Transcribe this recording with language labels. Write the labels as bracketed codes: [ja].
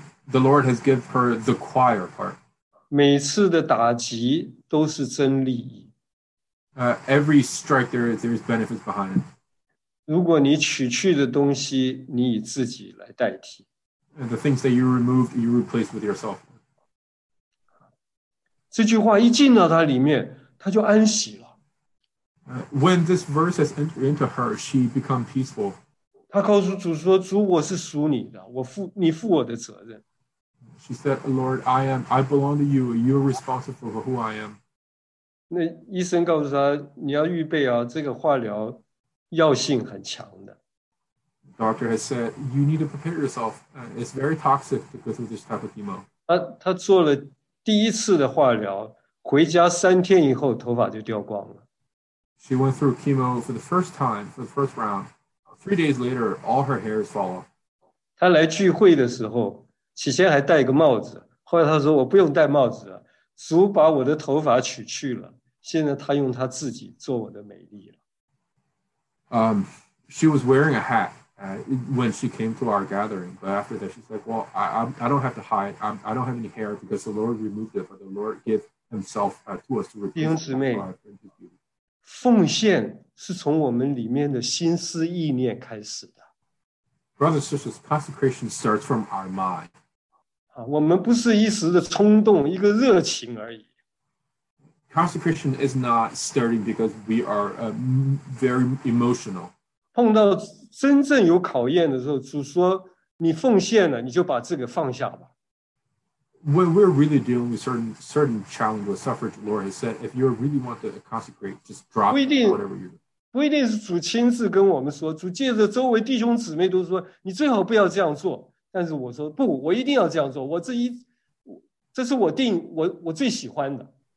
[en] The Lord has given her the choir part. [zh] 每次的打击都是真利益。 [en] Every strike there is benefits behind it. [zh] 如果你取去的东西，你以自己来代替。 [en] And the things that you removed, you replaced with yourself. [zh] 这句话一进到他里面，他就安息了。 [en] When this verse has entered into her, she become peaceful. [zh] 他告诉主说：“主，我是属你的，你负我的责任。” [en] She said, "Lord, I belong to you. You're responsible for who I am." [zh] 那医生告诉他，你要预备啊，这个化疗药性很强的。 [en] Doctor has said, "You need to prepare yourself. It's very toxic to go through this type of chemo." [zh] 他做了第一次的化疗，回家三天以后，头发就掉光了。 [en] She went through chemo for the first time, for the first round. 3 days later, all her hair is fall off. [zh] 他来聚会的时候。起先还戴一个帽子，后来他说我不用戴帽子了，主把我的头发取去了，现在他用他自己做我的美丽了。 [en] She was wearing a hat when she came to our gathering. But after that, she's like, well, I don't have to hide. I don't have any hair because the Lord removed it, but the Lord gave himself to us to repeat. [zh] 弟兄姊妹，奉献是从我们里面的心思意念开始的。 [en] Brothers and sisters, consecration starts from our mind. [zh] 我们不是一时的冲动，一个热情而已。 [en] Consecration is not starting because we are very emotional. [zh] 碰到真正有考验的时候，主说你奉献了，你就把这个放下吧。 [en] When we're really dealing with certain challenge with suffrage, Lord has said, if you really want to consecrate, just drop whatever you do. [zh] 不一定是主亲自跟我们说，主借着周围弟兄姊妹都说，你最好不要这样做。但是我说不，我一定要这样做。我这一，这是我定我最喜欢的。